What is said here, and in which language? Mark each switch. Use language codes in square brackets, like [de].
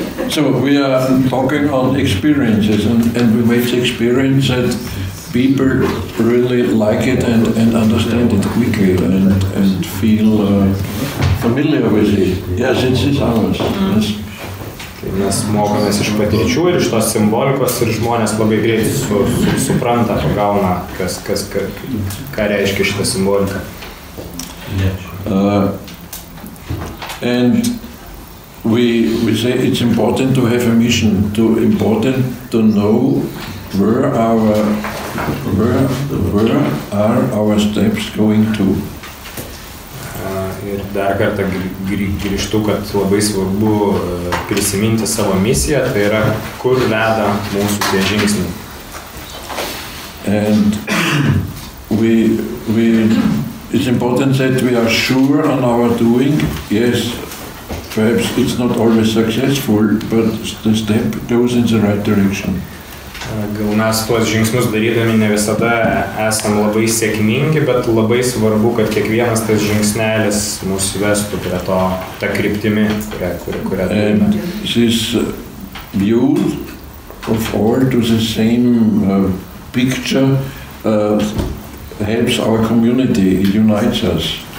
[en] So we are talking on experiences and we made the experience that people really like it and understand it quickly and feel familiar with it. Yes, it's ours. Yes. [lt] Mes mokomės iš patirčių ir iš tos simbolikos ir žmonės labai greitai supranta, pagauna, ką reiškia šitą simboliką. [en] And we say it's important to have a mission, to important to know where are our steps going to. [lt] Ir dar kartą grįžtu, kad labai svarbu prisiminti savo misiją, tai yra kur veda mūsų tie žingsniai. [en] And we it's important that we are sure on our doing. Yes. Perhaps it's not always successful, but the step goes in the right direction. [lt] Gal mes tuos žingsnius darydami ne visada esam labai sėkmingi, bet labai svarbu, kad kiekvienas tas žingsnelis mus vestų prie to, tą kryptimį, kurią darėme. [en] This view of all to the same picture helps our community, unites us.